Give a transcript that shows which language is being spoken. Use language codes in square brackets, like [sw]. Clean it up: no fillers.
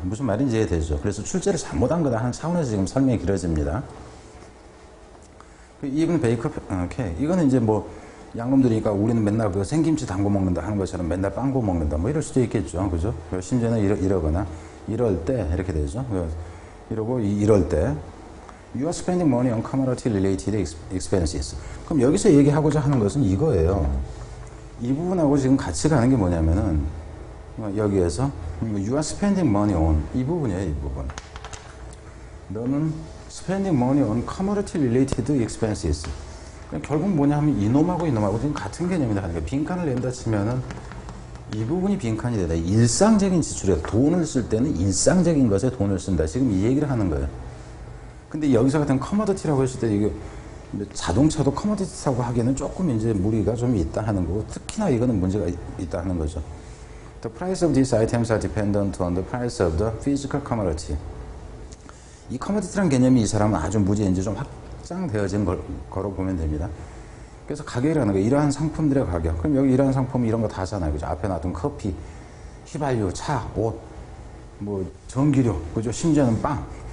[ko] 무슨 말인지 이해되죠? 그래서 출제를 잘못한 거다 하는 차원에서 지금 설명이 길어집니다. 이분 베이커 오케이. 이거는 이제 뭐 양놈들이니까 우리는 맨날 그 생김치 담궈 먹는다 하는 것처럼 맨날 빵 구워 먹는다 뭐 이럴 수도 있겠죠. 그죠? 심지어는 이러거나 이럴 때 이렇게 되죠. 이러고 이럴 때 [en] You are spending money on commodity related expenses. [ko] 그럼 여기서 얘기하고자 하는 것은 이거예요. 이 부분하고 지금 같이 가는 게 뭐냐면은 여기에서 [en] You are spending money on [ko] 이 부분이에요. 이 부분. [en] 너는 spending money on commodity related expenses. [ko] 결국 뭐냐 하면 이놈하고 이놈하고 지금 같은 개념이다 하는 거예요. 빈칸을 낸다 치면은 이 부분이 빈칸이 되다. 일상적인 지출에 돈을 쓸 때는 일상적인 것에 돈을 쓴다. 지금 이 얘기를 하는 거예요. 근데 여기서 같은 커머더티라고 했을 때 이게 자동차도 커머더티라고 하기에는 조금 이제 무리가 좀 있다 하는 거고 특히나 이거는 문제가 있다 하는 거죠. [en] The price of these items are dependent on the price of the physical commodity. [ko] 이 커머더티라는 개념이 이 사람은 아주 무지 이제 좀 확장되어진 거로 보면 됩니다. 그래서 가격이라는 거 이러한 상품들의 가격. 그럼 여기 이러한 상품 이런 거 다 하잖아요. 그죠? 앞에 놔둔 커피, 휘발유, 차, 옷, 뭐 전기료, 그죠? 심지어는 빵.